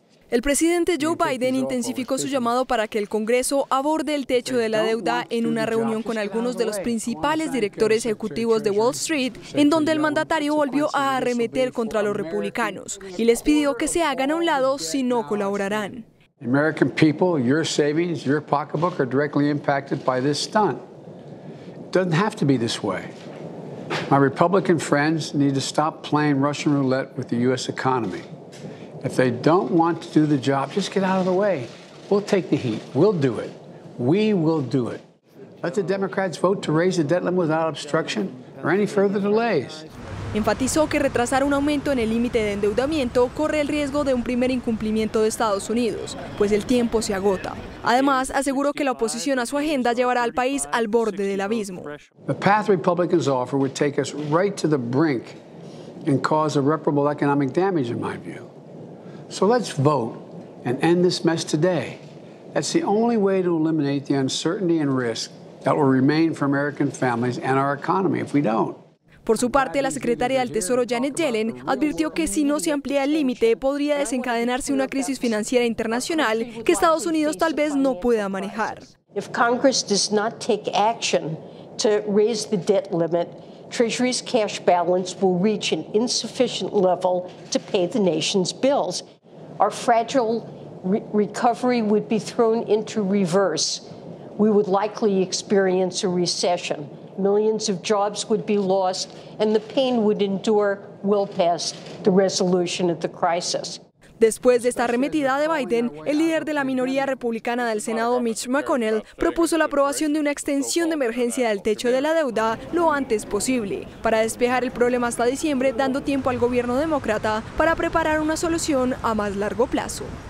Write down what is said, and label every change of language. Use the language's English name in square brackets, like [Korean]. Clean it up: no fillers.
[Spanish] El presidente Joe Biden intensificó su llamado para que el Congreso aborde el techo de la deuda en una reunión con algunos de los principales directores ejecutivos de Wall Street, en donde el mandatario volvió a arremeter contra los republicanos y les pidió que se hagan a un lado si no colaborarán. [English] American people, your savings, your pocketbook are directly impacted by this stunt. It doesn't have to be this way. My Republican friends need to stop playing Russian roulette with the U.S. economy. If they don't want to do the job, just get out of the way. We'll take the heat. We'll do it. We will do it. Let the Democrats vote to raise the debt limit without obstruction or any further delays. [Spanish] Enfatizó que retrasar un aumento en el límite de endeudamiento corre el riesgo de un primer incumplimiento de Estados Unidos, pues el tiempo se agota. Además, aseguró que la oposición a su agenda llevará al país al borde del abismo. [English] The path Republicans offer would take us right to the brink and cause irreparable economic damage, in my view. So let's vote and end this mess today. That's the only way to eliminate the uncertainty and risk that will remain for American families and our economy if we don't. [Spanish] Por su parte, la secretaria del Tesoro, Janet Yellen, advirtió que si no se amplía el límite, podría desencadenarse una crisis financiera internacional que Estados Unidos tal vez no pueda manejar. [English] If Congress does not take action to raise the debt limit, Treasury's cash balance will reach an insufficient level to pay the nation's bills. Our fragile recovery would be thrown into reverse. We would likely experience a recession. Millions of jobs would be lost, and the pain would endure well past the resolution of the crisis. [Spanish] Después de esta arremetida de Biden, el líder de la minoría republicana del Senado, Mitch McConnell, propuso la aprobación de una extensión de emergencia del techo de la deuda lo antes posible, para despejar el problema hasta diciembre, dando tiempo al gobierno demócrata para preparar una solución a más largo plazo.